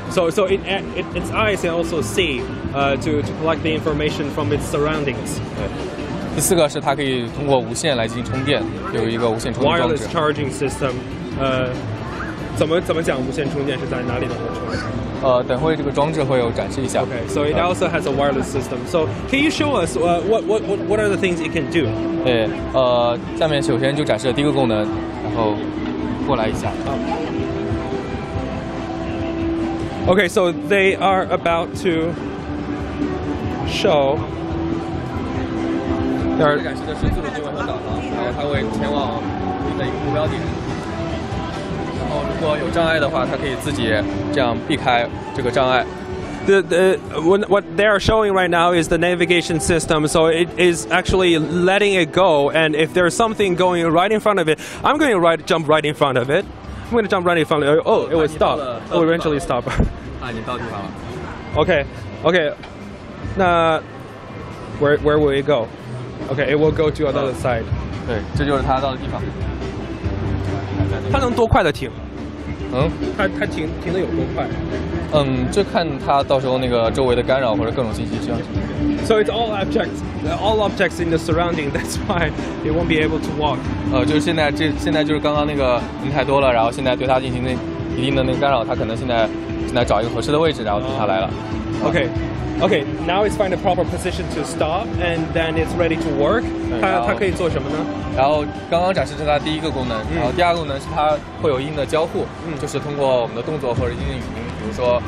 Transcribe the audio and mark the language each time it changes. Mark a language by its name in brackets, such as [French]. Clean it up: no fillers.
[English] So its eyes can also see to collect the information from its surroundings. [Chinese] 第四个是它可以通过无线来进行充电，有一个无线充电装置。 [English] Wireless charging system. [Chinese] 怎么讲无线充电是在哪里能够充电？等会这个装置会有展示一下。 [English] Okay, so it also has a wireless system. So can you show us what are the things it can do? [Chinese] 对，下面首先就展示了第一个功能，然后过来一下。 [English] Okay, so they are about to show. [Chinese] 展示的是自主定位和导航，然后它会前往你的一个目标点。如果有障碍的话，它可以自己这样避开这个障碍。 [English] What they are showing right now is the navigation system. So it is actually letting it go. And if there's something going right in front of it, I'm going to jump right in front of it. I'm going to jump right in front of it. Oh, it will stop. It will eventually stop. [Chinese] 你到地方了。 [English] Okay. 那 where will it go? Okay, it will go to another side. [Chinese] 对，这就是它到的地方。它能多快的停？它停的有多快？就看它到时候那个周围的干扰或者各种信息这样。 [English] So it's all objects in the surrounding. That's why it won't be able to walk. [Chinese] 就是现在就是刚刚那个人太多了，然后现在对它进行那一定的那个干扰，它可能现在找一个合适的位置，然后停下来了。 [English] Okay. Now it's find a proper position to stop, and then it's ready to work. [Chinese] 它可以做什么呢？然后刚刚展示是它第一个功能，然后第二个功能是它会有一定的交互，就是通过我们的动作或者一定语音，比如说